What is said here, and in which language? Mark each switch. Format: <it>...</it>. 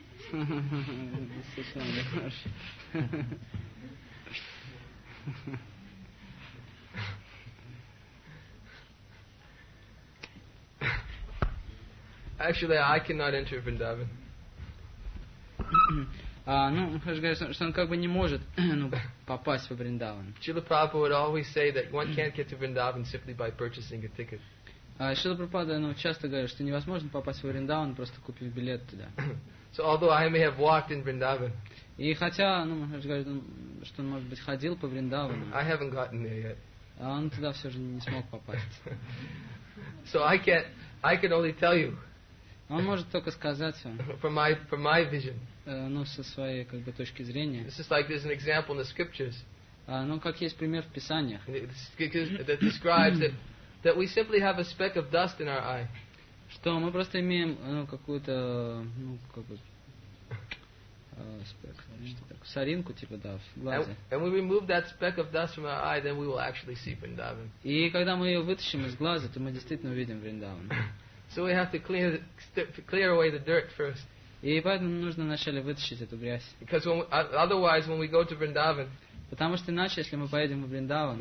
<ru>Совершенно хорошо.</ru> <en>Actually, I cannot enter Vrindavan.</en> <ru>Ну, что он как бы не может, ну, попасть в Вриндаван.</ru> <en>Srila Prabhupada would always say that one can't get to Vrindavan simply by purchasing a ticket.</en> <ru>Srila Prabhupada, ну, часто говорит, что невозможно попасть в Вриндаван, просто купив билет туда.</ru> <en>So although I may have walked in Vrindavan.</en> <ru>И хотя, ну, что он, может быть, ходил по Вриндавану.</ru> <en>I haven't gotten there yet.</en> <ru>Он туда все же не смог попасть.</ru> <en>So I can only tell you.</en> <ru>Он может только сказать вам.</ru> <en>From my vision.</en> <ru>Ну, со своей, как бы, точки зрения.</ru> <en>This is like there's an example in the scriptures.</en> <ru>Ну, как есть пример в Писаниях.</ru> <en>That describes that we simply have a speck of dust in our eye.</en> <ru>Что мы просто имеем, ну, какую-то, ну, как бы, speck, что-то, соринку, типа, да, в глазе.</ru> <en>And we remove that speck of dust from our eye, then we will actually see Vrindavan.</en> <ru>И когда мы ее вытащим из глаза, то мы действительно увидим Вриндаван.</ru> <en>So we have to clear away the dirt first.</en> <ru>И поэтому нужно вначале вытащить эту грязь.</ru> <en>Because otherwise, when we go to Vrindavan,</en> <ru>потому что иначе, если мы поедем в Вриндаван,</ru>